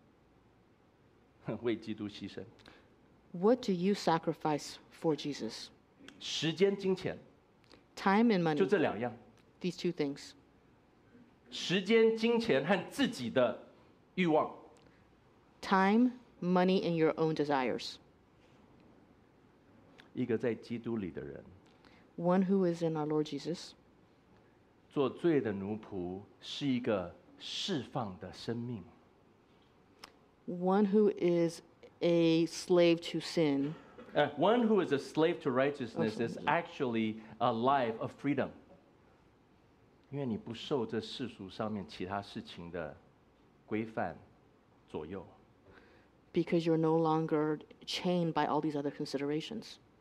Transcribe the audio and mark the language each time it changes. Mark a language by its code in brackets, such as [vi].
[zh] 你在什么事情上面为基督牺牲? [en] What do you sacrifice for Jesus? [zh] 时间、金钱。 [en] Time and money. [zh] 就这两样。 [en] These two things. [zh] 时间、金钱和自己的欲望。 [en] Time, money, and your own desires. [zh] 一个在基督里的人, [en] One who is in our Lord Jesus. [zh] 做罪的奴仆是一个释放的生命。 One who is a slave to sin. [en] One who is a slave to righteousness is actually a life of freedom. [zh] 因为你不受这世俗上面其他事情的规范左右。 [en] Because you're no longer chained by all these other considerations.